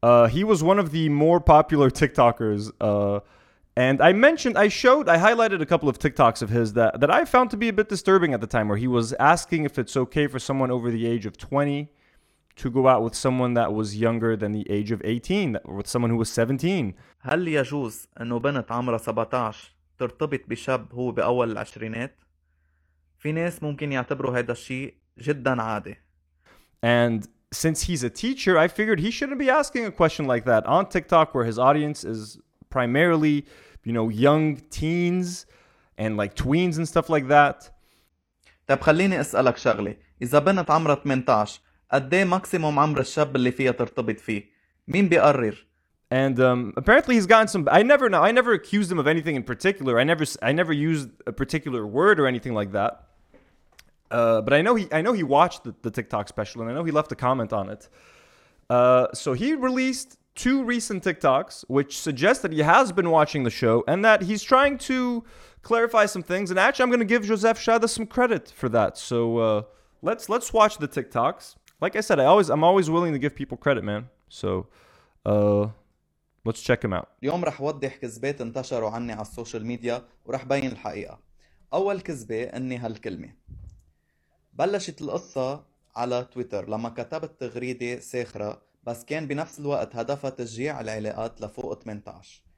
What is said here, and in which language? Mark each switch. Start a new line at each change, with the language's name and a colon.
English: He was one of the more popular TikTokers. And I mentioned, I highlighted a couple of TikToks of his that I found to be a bit disturbing at the time, where he was asking if it's okay for someone over the age of 20 to go out with someone that was younger than the age of 18, with someone who was 17.
Arabic: هل يجوز أنه بنت عمرها 17 ترتبط بشاب هو بأول العشرينات؟ في ناس ممكن يعتبروا هذا الشيء جدا عادي.
English: And since he's a teacher, I figured he shouldn't be asking a question like that on TikTok, where his audience is primarily, you know, young teens and like tweens and stuff like that.
Arabic: طب خليني أسألك شغلة. إذا بنت عمرها 18, قدي ماكسيموم عمر الشاب اللي فيها ترتبط فيه؟ مين بيقرر؟
English: And apparently he's gotten some... I never accused him of anything in particular. I never used a particular word or anything like that. But I know he watched the TikTok special, and I know he left a comment on it. So he released two recent TikToks, which suggest that he has been watching the show and that he's trying to clarify some things. And actually, I'm going to give Josef Shada some credit for that. So let's watch the TikToks. Like I said, I'm always willing to give people credit, man. So let's check him out.
Arabic: اليوم رح وضح كذبات انتشروا عني على السوشيال ميديا ورح بين الحقيقة. أول كذبة إني هالكلمة. بلشت القصة على تويتر لما كتبت تغريدة ساخرة بس كان بنفس الوقت هدفها تشجيع العلاقات لفوق 18.